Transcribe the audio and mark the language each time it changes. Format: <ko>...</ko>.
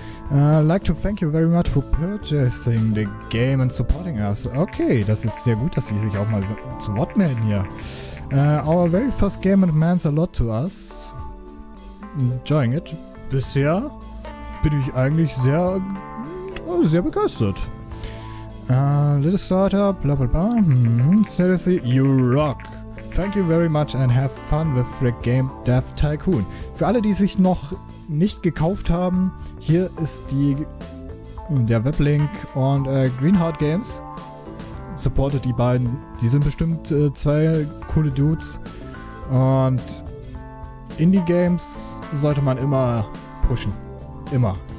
<en>Like to thank you very much for purchasing the game and supporting us.</en> <de>Okay, das ist sehr gut, dass sie sich auch mal zu Wort melden hier.</de> <en>Our very first game meant a lot to us. Enjoying it.</en> <de>bisher bin ich eigentlich sehr, sehr begeistert.</de> <en>Little Startup, bla bla bla. Seriously, you rock. Thank you very much and have fun with the game Dev Tycoon.</en> <de>Für alle, die sich noch nicht gekauft haben, hier ist der Weblink und Greenheart Games. Supportet die beiden. Die sind bestimmt zwei coole Dudes. Und Indie Games sollte man immer pushen. Immer.</de>